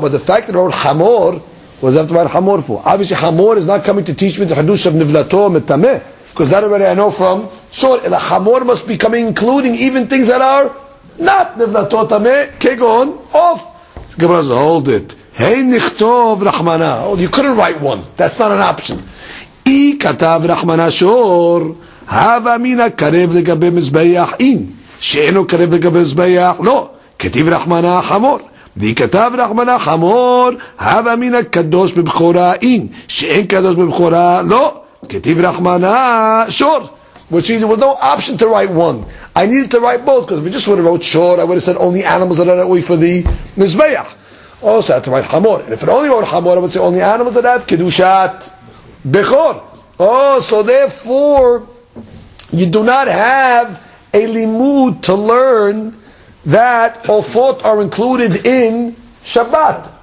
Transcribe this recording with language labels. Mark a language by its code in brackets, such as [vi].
[en] But the fact that I wrote hamor, was after I wrote hamor for? Obviously, hamor is not coming to teach me the hadush of nivlato metameh. Because that already I know from shor. The hamor must be coming, including even things that are not nivlato metameh. Kegon, off. Gemara, hold it. Hey, nichtov rahmana. Oh, you couldn't write one. That's not an option. [he] אי כתב רחמנה שור, הווה מינה קרב לגבי מזבח, אין, שאינו קרב לגבי מזבח, לא, כתיב רחמנה חמור, ואי כתב רחמנה חמור, הווה מינה קדוש בבכורה, אין, שאין קדוש בבכורה, לא, כתיב רחמנה שור. [en] Which means there was no option to write one. I needed to write both, because if I just would have wrote שור, I would have said only animals that are away for the מזבח. Also I had to write חמור, and if it only wrote חמור, I would say only animals that have קדושת. Bechor. Oh, so therefore, you do not have a limud to learn that ofot are included in Shabbat.